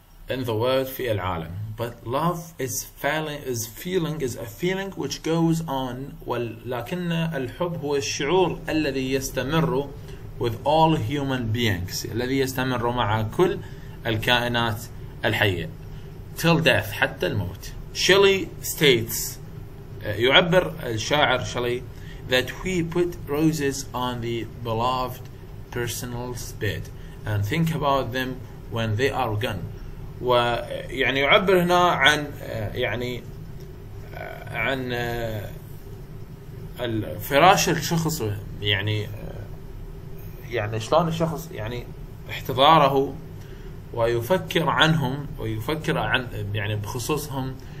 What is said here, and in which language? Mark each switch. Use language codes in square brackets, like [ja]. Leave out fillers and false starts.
[en] in the world، [ar] في العالم. [en] but love is feeling، is feeling، is a feeling which goes on، [ar] ولكن الحب هو الشعور الذي يستمر [en] with all human beings، [ar] الذي يستمر مع كل الكائنات الحية، [en] till death، [ar] حتى الموت. [en] Shelley states، [ar] يعبر الشاعر شلي، [en] that we put roses on the beloved person's bed and think about them when they are gone. [ar] ويعني يعبر هنا عن يعني عن الفراش الشخص، يعني يعني شلون الشخص يعني احتضاره ويفكر عنهم، ويفكر عن يعني بخصوصهم.